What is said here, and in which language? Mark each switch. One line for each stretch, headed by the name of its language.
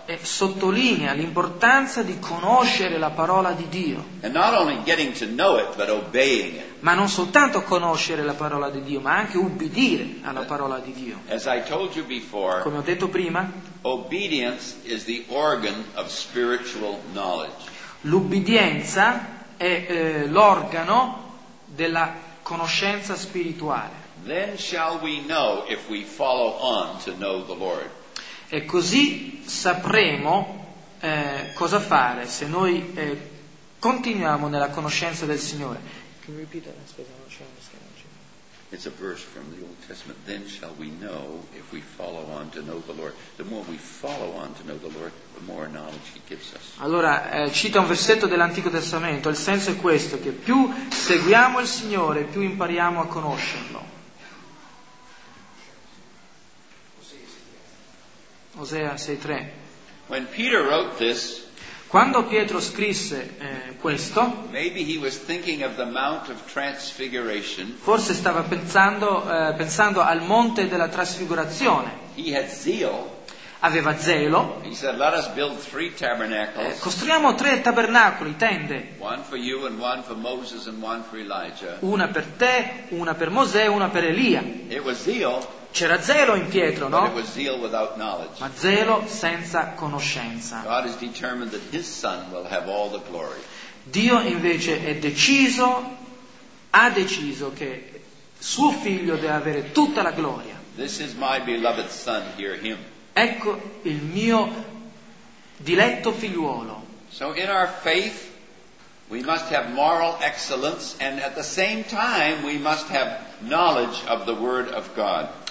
Italian: E sottolinea l'importanza di conoscere la parola di Dio.
English: And not only getting to know it, but obeying it.
Italian: Ma non soltanto conoscere la parola di Dio, ma anche ubbidire alla parola di Dio.
English: As I told you before,
Italian: come ho detto prima,
English: obedience is the organ of spiritual knowledge.
Italian: L'ubbidienza è l'organo della conoscenza spirituale.
English: Then shall we know if we follow on to know the Lord.
Italian: E così sapremo cosa fare se noi continuiamo nella conoscenza del Signore.
English: Can you repeat that? I suppose I'm not sure I understand. It's a verse from the Old Testament. Then shall we know if we follow on to know the Lord. The more we follow on to know the Lord, the more knowledge He gives us.
Italian: Allora, cita un versetto dell'Antico Testamento. Il senso è questo, che più seguiamo il Signore, più impariamo a conoscerlo. Osea 6:3.
English: When Peter wrote this,
Italian: quando Pietro scrisse questo,
English: maybe he was thinking of the Mount of Transfiguration.
Italian: Forse stava pensando al Monte della Trasfigurazione.
English: He had zeal.
Italian: aveva zelo.
English: He said, let us build three tabernacles.
Italian: Costruiamo tre tabernacoli, tende.
English: One for you and one for Moses and one for Elijah.
Italian: Una per te, una per Mosè, una per Elia.
English: It was zeal.
Italian: C'era zelo in Pietro, no?
English: But it was zeal without knowledge.
Italian: Ma zelo senza conoscenza.
English: God has determined that his son will have all the glory.
Italian: Dio invece è deciso, ha deciso che suo figlio deve avere tutta la gloria.
English: This is my beloved son, hear him.
Italian: Ecco il mio diletto figliuolo.
English: So in our faith we must have moral excellence and at the same time we must have knowledge of the word of God.